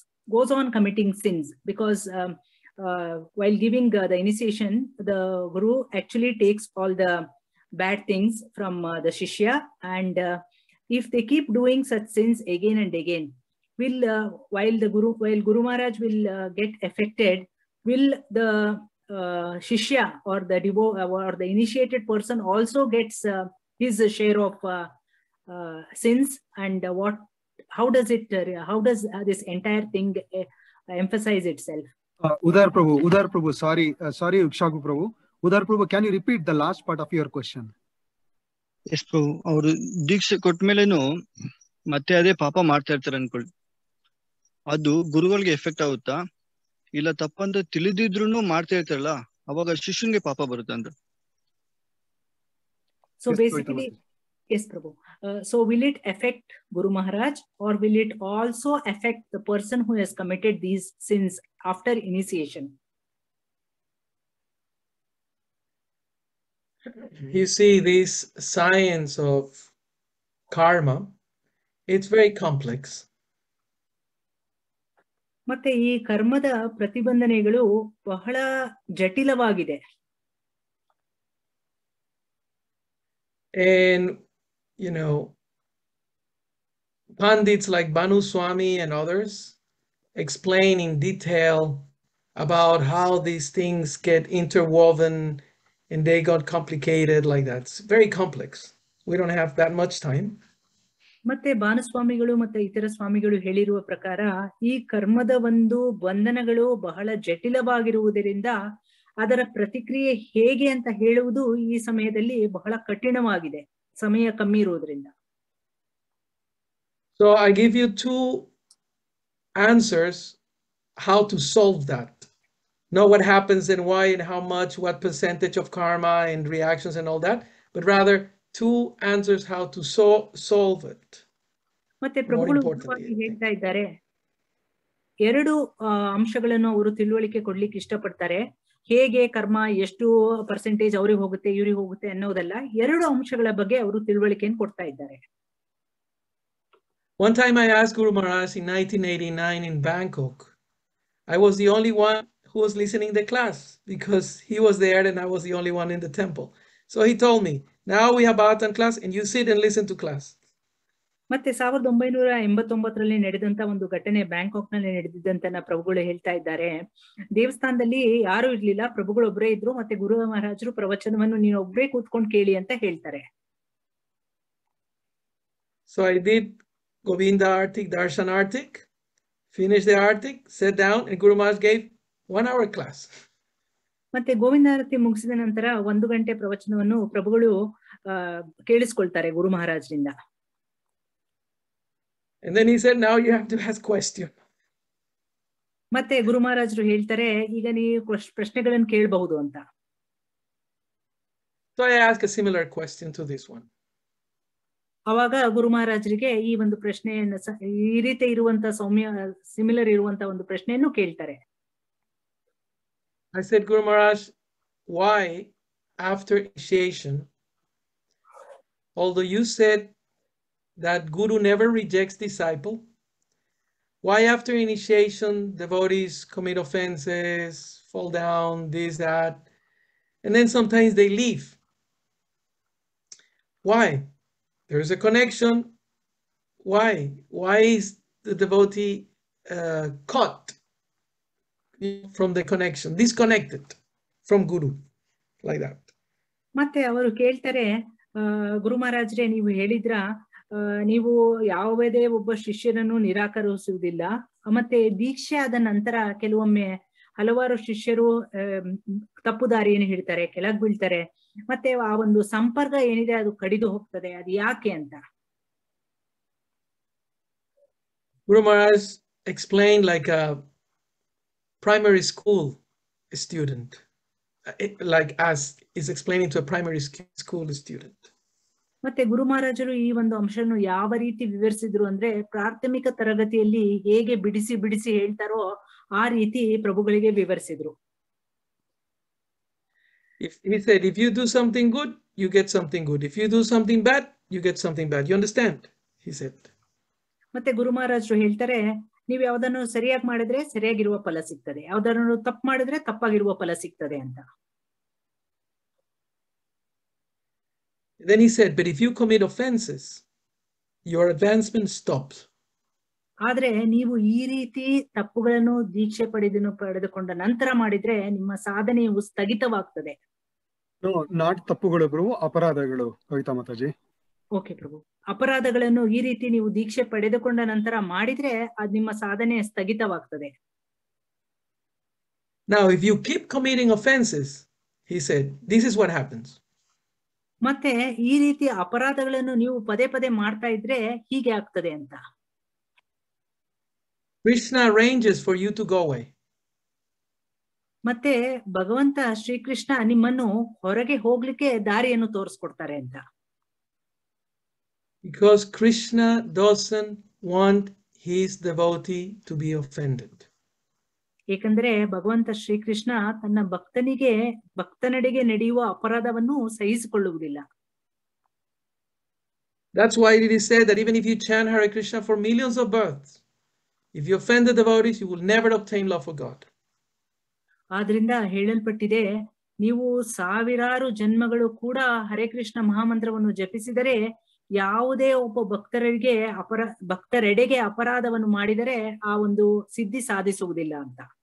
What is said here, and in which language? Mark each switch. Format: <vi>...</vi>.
<en>goes on committing sins, because while giving the initiation, the Guru actually takes all the bad things from the Shishya, and if they keep doing such sins again and again, while Guru Maharaj will get affected, will the Shishya or the devotee or the initiated person also gets his share of sins? And how does this entire thing emphasize itself? Udhar Prabhu, sorry, Ikshvaku Prabhu. Udhar Prabhu, can you repeat the last part of your question?</en> <kn>S ಪ್ರಭು, ಅವರು ದೀಕ್ಷೆ ಕೊಟ್ಮೇಲೇನು ಮತ್ತೆ ಅದೇ ಪಾಪ ಮಾಡ್ತಾ ಇರ್ತಾರೆ ಅನ್ಕೊಳ್ಳಿ, ಅದು ಗುರುಗಳಿಗೆ ಎಫೆಕ್ಟ್ ಆಗುತ್ತಾ, ಇಲ್ಲ ತಪ್ಪಂತ ತಿಳಿದಿದ್ರು ಮಾಡ್ತಾ ಇರ್ತಾರಲ್ಲ ಅವಾಗ ಶಿಷ್ಯನ್ಗೆ ಪಾಪ ಬರುತ್ತೆ ಅಂತ.</kn> <en>So basically Yes, Prabhu. So will it affect Guru Maharaj, or will it also affect the person who has committed these sins after initiation? You see, these science of karma, it's very complex.</en> <kn>ಮತ್ತೆ ಈ ಕರ್ಮದ ಪ್ರತಿಬಂಧನೆಗಳು ಬಹಳ ಜಟಿಲವಾಗಿದೆ.</kn> <en>And you know, pandits like Banu Swami and others explain in detail about how these things get interwoven and they got complicated like that. It's very complex. We don't have that much time.</en> <kn>ಮತ್ತೆ ಬಾನುಸ್ವಾಮಿಗಳು ಮತ್ತೆ ಇತರ ಸ್ವಾಮಿಗಳು ಹೇಳಿರುವ ಪ್ರಕಾರ ಈ ಕರ್ಮದ ಒಂದು ಬಂಧನಗಳು ಬಹಳ ಜಟಿಲವಾಗಿರುವುದರಿಂದ ಅದರ ಪ್ರತಿಕ್ರಿಯೆ ಹೇಗೆ ಅಂತ ಹೇಳುವುದು ಈ ಸಮಯದಲ್ಲಿ ಬಹಳ ಕಠಿಣವಾಗಿದೆ, ಸಮಯ ಕಮ್ಮಿ ಇರುವುದರಿಂದ.</kn> <en>So I give you two answers how to solve that. Not what happens and why and how much, what percentage of karma and reactions and all that, but rather two answers how to solve it.</en> <kn>ಮತ್ತೆ ಪ್ರಭುಗಳು ಹೇಳ್ತಾ ಇದ್ದಾರೆ ಎರಡು ಅಂಶಗಳನ್ನು ಅವರು ತಿಳುವಳಿಕೆ ಕೊಡ್ಲಿಕ್ಕೆ ಇಷ್ಟಪಡ್ತಾರೆ. ಹೇಗೆ ಕರ್ಮ ಎಷ್ಟು ಪರ್ಸೆಂಟೇಜ್ ಅವ್ರಿಗೆ ಹೋಗುತ್ತೆ ಇವ್ರಿಗೆ ಹೋಗುತ್ತೆ ಅನ್ನೋದಲ್ಲ, ಎರಡು ಅಂಶಗಳ ಬಗ್ಗೆ ಅವರು ತಿಳುವಳಿಕೆಯನ್ನು ಕೊಡ್ತಾ ಇದ್ದಾರೆ.</kn> <en>One time I asked Guru Maharaj in 1989 in Bangkok. I was the only one who was listening the class because he was there and I was the only one in the temple. So he told me, now we have Bhagavatam class and you sit and listen to class.</en> <kn>ಮತ್ತೆ 1989 ನಡೆದಂತ ಒಂದು ಘಟನೆ Bangkok ನಲ್ಲಿ ನಡೆದಿದ್ದಂತ ಪ್ರಭುಗಳು ಹೇಳ್ತಾ ಇದ್ದಾರೆ. ದೇವಸ್ಥಾನದಲ್ಲಿ ಯಾರು ಇರ್ಲಿಲ್ಲ, ಪ್ರಭುಗಳು ಒಬ್ಬರೇ ಇದ್ರು. ಮತ್ತೆ ಗುರು ಮಹಾರಾಜರು ಪ್ರವಚನವನ್ನು ನೀನು ಒಬ್ಬರೇ ಕೂತ್ಕೊಂಡು ಕೇಳಿ ಅಂತ ಹೇಳ್ತಾರೆ.</kn> <en>So I did Govinda Artik, Darshan Artik, finished the Artik, sat down and Guru Maharaj gave 1 hour class.</en> <kn>ಮತ್ತೆ ಗೋವಿಂದಾರತಿ ಮುಗಿಸಿದ ನಂತರ 1 ಗಂಟೆ ಪ್ರವಚನವನ್ನು ಪ್ರಭುಗಳು ಕೇಳಿಸ್ಕೊಳ್ತಾರೆ ಗುರು ಮಹಾರಾಜರಿಂದ.</kn> <en>And then he said, now you have to ask question.</en> <kn>ಮತ್ತೆ ಗುರು ಮಹಾರಾಜರು ಹೇಳ್ತಾರೆ ಈಗ ನೀವು ಪ್ರಶ್ನೆಗಳನ್ನು ಕೇಳಬಹುದು ಅಂತ.</kn> <en>So I ask a similar question to this one.</en> <kn>ಅವಾಗ ಗುರು ಮಹಾರಾಜರಿಗೆ ಈ ಒಂದು ಪ್ರಶ್ನೆಯನ್ನು ಈ ರೀತಿ ಇರುವಂತ ಸೌಮ್ಯ ಸಿಮಿಲರ್ ಇರುವಂತ ಒಂದು ಪ್ರಶ್ನೆಯನ್ನು ಕೇಳ್ತಾರೆ.</kn> <en>I said, Guru Maharaj, why after initiation, although you said that Guru never rejects disciple, why after initiation devotees commit offenses, fall down, this, that, and then sometimes they leave? Why? There is a connection. Why? Why is the devotee caught from the connection, disconnected from Guru, like that?</en> <kn>ಮತ್ತೆ ಅವರು ಕೇಳ್ತಾರೆ ಗುರು ಮಹಾರಾಜರೇ ನೀವು ಹೇಳಿದ್ರ ನೀವು ಯಾವುದೇ ಒಬ್ಬ ಶಿಷ್ಯರನ್ನು ನಿರಾಕರಿಸುವುದಿಲ್ಲ, ಮತ್ತೆ ದೀಕ್ಷೆ ಆದ ನಂತರ ಕೆಲವೊಮ್ಮೆ ಹಲವಾರು ಶಿಷ್ಯರು ತಪ್ಪುದಾರಿಯನ್ನು ಹಿಡ್ತಾರೆ, ಕೆಳಗ್ ಬೀಳ್ತಾರೆ, ಮತ್ತೆ ಆ ಒಂದು ಸಂಪರ್ಕ ಏನಿದೆ ಅದು ಕಡಿದು ಹೋಗ್ತದೆ, ಅದು ಯಾಕೆ ಅಂತ</kn> <en>Guru Maharaj explain like a primary school student, like as is explaining to a primary school student.</en> <kn>ಮತ್ತೆ ಗುರು ಮಹಾರಾಜರು ಈ ಒಂದು ಅಂಶವನ್ನು ಯಾವ ರೀತಿ ವಿವರಿಸಿದ್ರು ಅಂದ್ರೆ ಪ್ರಾಥಮಿಕ ತರಗತಿಯಲ್ಲಿ ಹೇಗೆ ಬಿಡಿಸಿ ಬಿಡಿಸಿ ಹೇಳ್ತಾರೋ ಆ ರೀತಿ ಪ್ರಭುಗಳಿಗೆ ವಿವರಿಸಿದ್ರು.</kn> <en>If he said, if you do something good, you get something good. If you do something bad, you get something bad. You understand? He said.</en> <kn>ಮತ್ತೆ ಗುರು ಮಹಾರಾಜರು ಹೇಳ್ತಾರೆ ನೀವು ಯಾವ್ದನ್ನು ಸರಿಯಾಗಿ ಮಾಡಿದ್ರೆ ಸರಿಯಾಗಿರುವ ಫಲ ಸಿಗ್ತದೆ, ಯಾವ್ದನ್ನು ತಪ್ಪು ಮಾಡಿದ್ರೆ ತಪ್ಪಾಗಿರುವ ಫಲ ಸಿಗ್ತದೆ ಅಂತ.</kn> <en>Then he said, but if you commit offenses, your advancement stops.</en> <kn>ಆದ್ರೆ ನೀವು ಈ ರೀತಿ ತಪ್ಪುಗಳನ್ನು ದೀಕ್ಷೆ ಪಡೆದುಕೊಂಡ ನಂತರ ಮಾಡಿದ್ರೆ ನಿಮ್ಮ ಸಾಧನೆಯು ಸ್ಥಗಿತವಾಗ್ತದೆ.</kn> <en>No, not</en> <kn>ತಪ್ಪುಗಳು ಪ್ರಭು, ಅಪರಾಧಗಳು ಕವಿತಾ ಮಾತಾಜಿ. ಓಕೆ ಪ್ರಭು, ಅಪರಾಧಗಳನ್ನು ಈ ರೀತಿ ನೀವು ದೀಕ್ಷೆ ಪಡೆದುಕೊಂಡ ನಂತರ ಮಾಡಿದ್ರೆ ಅದು ನಿಮ್ಮ ಸಾಧನೆ ಸ್ಥಗಿತವಾಗ್ತದೆ.</kn> <en>Now if you keep committing offenses, he said, this is what happens.</en> <kn>ಮತ್ತೆ ಈ ರೀತಿ ಅಪರಾಧಗಳನ್ನು ನೀವು ಪದೇ ಪದೇ ಮಾಡ್ತಾ ಇದ್ರೆ ಹೀಗೆ ಆಗ್ತದೆ ಅಂತ.</kn> <en>Krishna arranges for you to go away.</en> <kn>ಮತ್ತೆ ಭಗವಂತ ಶ್ರೀಕೃಷ್ಣ ನಿಮ್ಮನ್ನು ಹೊರಗೆ ಹೋಗ್ಲಿಕ್ಕೆ ದಾರಿಯನ್ನು ತೋರಿಸ್ಕೊಡ್ತಾರೆ ಅಂತ.</kn> <en>Because Krishna doesn't want his devotee to be offended.</en> <kn>ಏಕೆಂದರೆ ಭಗವಂತ ಶ್ರೀಕೃಷ್ಣ ತನ್ನ ಭಕ್ತನಿಗೆ ಭಕ್ತನಡೆಗೆ ನಡೆಯುವ ಅಪರಾಧವನ್ನು ಸಹಿಸಿಕೊಳ್ಳುವುದಿಲ್ಲ.</kn> <en>That's why it is said that even if you chant Hare Krishna for millions of births, if you offend the devotees, you will never obtain love for God.</en> <kn>ಆದ್ದರಿಂದ ಹೇಳಲ್ಪಟ್ಟಿದೆ, ನೀವು ಸಾವಿರಾರು ಜನ್ಮಗಳು ಕೂಡ ಹರೇ ಕೃಷ್ಣ ಮಹಾಮಂತ್ರವನ್ನು ಜಪಿಸಿದರೆ, ಯಾವುದೇ ಒಬ್ಬ ಭಕ್ತರಿಗೆ ಭಕ್ತರೆಡೆಗೆ ಅಪರಾಧವನ್ನು ಮಾಡಿದರೆ ಆ ಒಂದು ಸಿದ್ಧಿ ಸಾಧಿಸುವುದಿಲ್ಲ ಅಂತ.</kn>